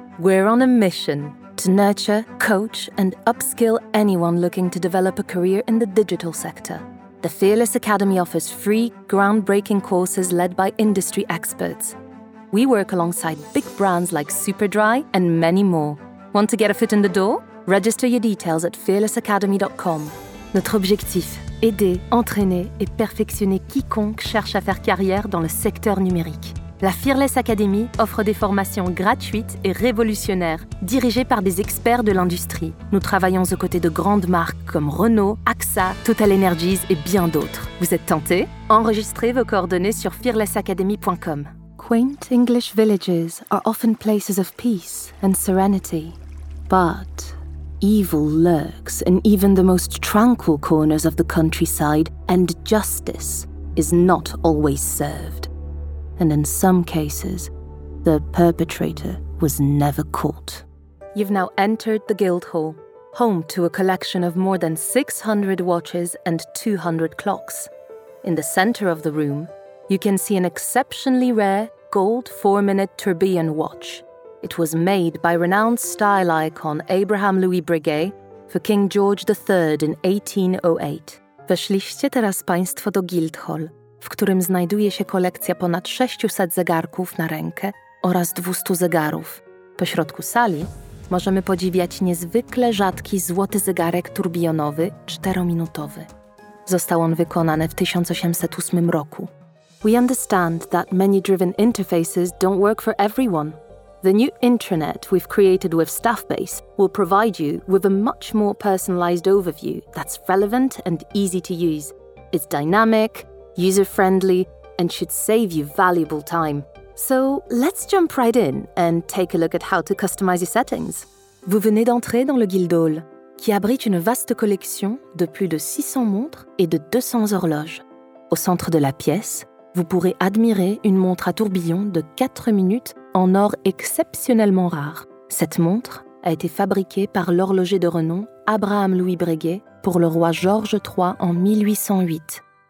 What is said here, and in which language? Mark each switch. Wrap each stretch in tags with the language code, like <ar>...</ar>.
<en>We're on a mission to nurture, coach, and upskill anyone looking to develop a career in the digital sector. The Fearless Academy offers free, groundbreaking courses led by industry experts. We work alongside big brands like Superdry and many more. Want to get a foot in the door? Register your details at fearlessacademy.com.</en> <fr>Notre objectif, aider, entraîner et perfectionner quiconque cherche à faire carrière dans le secteur numérique. La Fearless Academy offre des formations gratuites et révolutionnaires, dirigées par des experts de l'industrie. Nous travaillons aux côtés de grandes marques comme Renault, AXA, Total Energies et bien d'autres. Vous êtes tentés? Enregistrez vos coordonnées sur fearlessacademy.com.</fr> <en>Quaint English villages are often places of peace and serenity. But evil lurks in even the most tranquil corners of the countryside, and justice is not always served. And in some cases, the perpetrator was never caught. You've now entered the Guildhall, home to a collection of more than 600 watches and 200 clocks. In the center of the room, you can see an exceptionally rare gold 4-minute tourbillon watch. It was made by renowned style icon Abraham Louis Breguet for King George III in 1808.</en> <pl>Weszliście teraz Państwo do Guildhall, w którym znajduje się kolekcja ponad 600 zegarków na rękę oraz 200 zegarów. Po środku sali możemy podziwiać niezwykle rzadki złoty zegarek turbijonowy, 4-minutowy. Został on wykonany w 1808 roku.</pl> <en>We understand that menu-driven interfaces don't work for everyone. The new intranet we've created with Staffbase will provide you with a much more personalized overview that's relevant and easy to use. It's dynamic, user-friendly, and should save you valuable time. So let's jump right in and take a look at how to customize your settings.</en> <fr>Vous venez d'entrer dans le Guildhall, qui abrite une vaste collection de plus de 600 montres et de 200 horloges. Au centre de la pièce, vous pourrez admirer une montre à tourbillon de 4 minutes en or exceptionnellement rare. Cette montre a été fabriquée par l'horloger de renom Abraham Louis Breguet pour le roi George III en 1808.</fr>